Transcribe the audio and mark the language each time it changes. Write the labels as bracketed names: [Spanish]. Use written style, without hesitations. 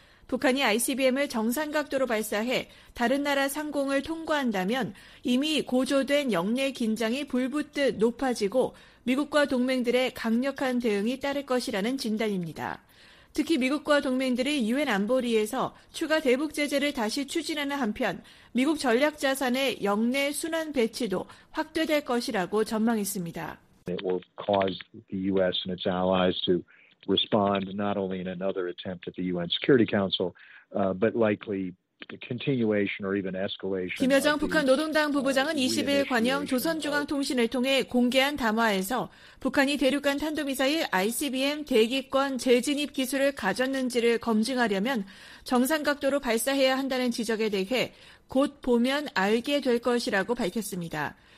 [Korean] 북한이 ICBM을 정상각도로 발사해 다른 나라 상공을 통과한다면 이미 고조된 영내 긴장이 불붙듯 높아지고 미국과 동맹들의 강력한 대응이 따를 것이라는 진단입니다. 특히 미국과 동맹들이 유엔 안보리에서 추가 대북 제재를 다시 추진하는 한편 미국 전략 자산의 영내 순환 배치도 확대될 것이라고 전망했습니다. [English] It will cause the US and its allies to respond not only in another attempt at the UN Security Council, but likely the continuation or even escalation. [Korean] 김여정 북한 노동당 부부장은 20일 관영 조선중앙통신을 통해 공개한 담화에서 북한이 대륙간 탄도미사일 ICBM 대기권 재진입 기술을 가졌는지를 검증하려면 정상각도로 발사해야 한다는 지적에 대해 곧 보면 알게 될 것이라고 밝혔습니다.